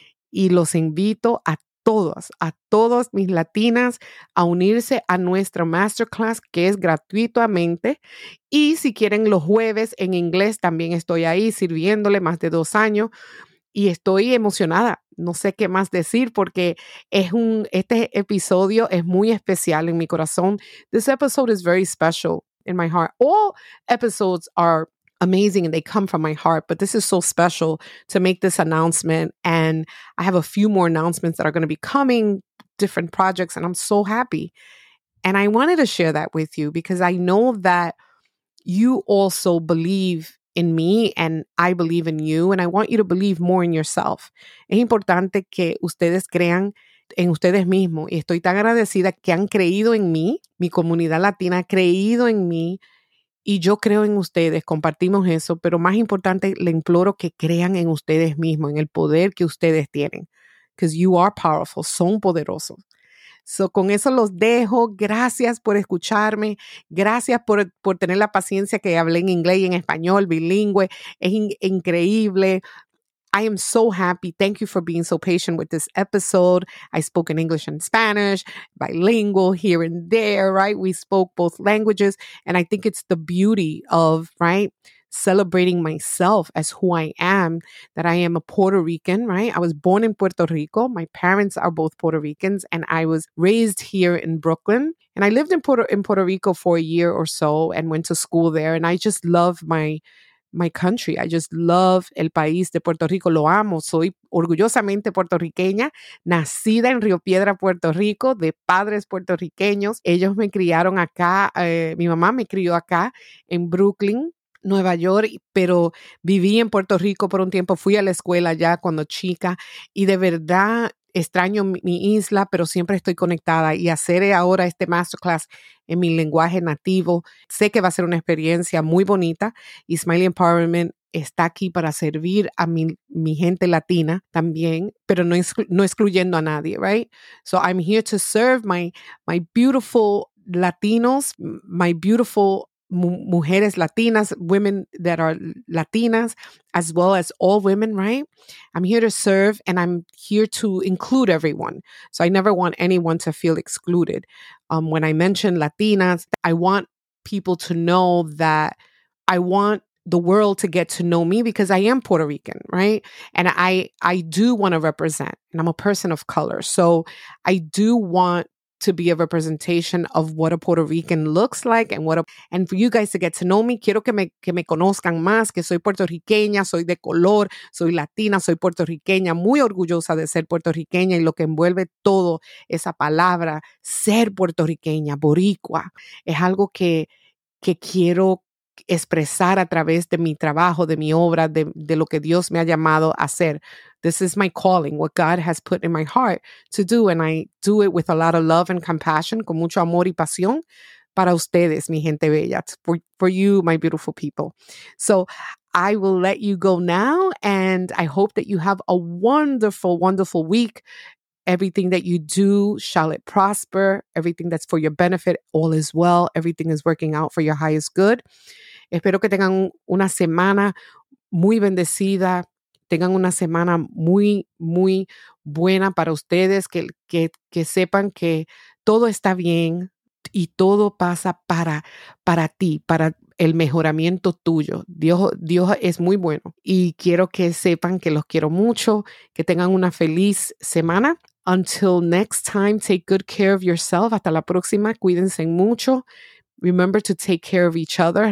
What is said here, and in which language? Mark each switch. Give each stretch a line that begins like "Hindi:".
Spanish: Y los invito a todas mis latinas a unirse a nuestra Masterclass que es gratuitamente. Y si quieren los jueves en inglés, también estoy ahí sirviéndole más de 2 años. Y estoy emocionada. No sé qué más decir porque este episodio es muy especial en mi corazón.
English: This episode is very special in my heart. All episodes are amazing and they come from my heart, but this is so special to make this announcement. And I have a few more announcements that are going to be coming, different projects, and I'm so happy. And I wanted to share that with you because I know that you also believe in me and I believe in you, and I want you to believe more in yourself.
Spanish: Es importante que ustedes crean en ustedes mismos, y estoy tan agradecida que han creído en mí, mi comunidad latina ha creído en mí, y yo creo en ustedes, compartimos eso, pero más importante, le imploro que crean en ustedes mismos, en el poder que ustedes tienen,
English: because you are powerful,
Spanish: son poderosos. So, con eso los dejo. Gracias por escucharme. Gracias por tener la paciencia que hablé en inglés y en español, bilingüe. Es increíble.
English: I am so happy. Thank you for being so patient with this episode. I spoke in English and Spanish, bilingual here and there, right? We spoke both languages. And I think it's the beauty of, right, celebrating myself as who I am, that I am a Puerto Rican, right? I was born in Puerto Rico. My parents are both Puerto Ricans, and I was raised here in Brooklyn. And I lived in Puerto Rico for a year or so and went to school there. And I just love my country. I just love
Spanish: el país de Puerto Rico. Lo amo. Soy orgullosamente puertorriqueña, nacida en Río Piedra, Puerto Rico, de padres puertorriqueños. Ellos me criaron acá. Mi mamá me crió acá en Brooklyn, Nueva York, pero viví en Puerto Rico por un tiempo. Fui a la escuela ya cuando chica y de verdad extraño mi isla, pero siempre estoy conectada. Y hacer ahora este masterclass en mi lenguaje nativo, sé que va a ser una experiencia muy bonita. Y Smiley Empowerment está aquí para servir a mi gente latina también, pero no excluyendo a nadie, right?
English: So I'm here to serve my beautiful Latinos, my beautiful
Spanish: mujeres latinas,
English: women that are latinas, as well as all women, right? I'm here to serve and I'm here to include everyone. So I never want anyone to feel excluded. When I mention latinas, I want people to know that I want the world to get to know me because I am Puerto Rican, right? And I do want to represent, and I'm a person of color. So I do want to be a representation of what a Puerto Rican looks like and for you guys to get to know me,
Spanish: quiero que me conozcan más, que soy puertorriqueña, soy de color, soy latina, soy puertorriqueña, muy orgullosa de ser puertorriqueña y lo que envuelve todo esa palabra, ser puertorriqueña, boricua, es algo que quiero expresar a través de mi trabajo, de mi obra, de lo que Dios me ha llamado a hacer.
English: This is my calling, what God has put in my heart to do, and I do it with a lot of love and compassion,
Spanish: con mucho amor y pasión para ustedes, mi gente bella,
English: for you, my beautiful people. So I will let you go now, and I hope that you have a wonderful, wonderful week. Everything that you do, shall it prosper. Everything that's for your benefit, all is well. Everything is working out for your highest good.
Spanish: Espero que tengan una semana muy bendecida. Tengan una semana muy, muy buena para ustedes. Que sepan que todo está bien y todo pasa para ti, para el mejoramiento tuyo. Dios es muy bueno. Y quiero que sepan que los quiero mucho. Que tengan una feliz semana.
English: Until next time, take good care of yourself.
Spanish: Hasta la próxima, cuídense mucho.
English: Remember to take care of each other.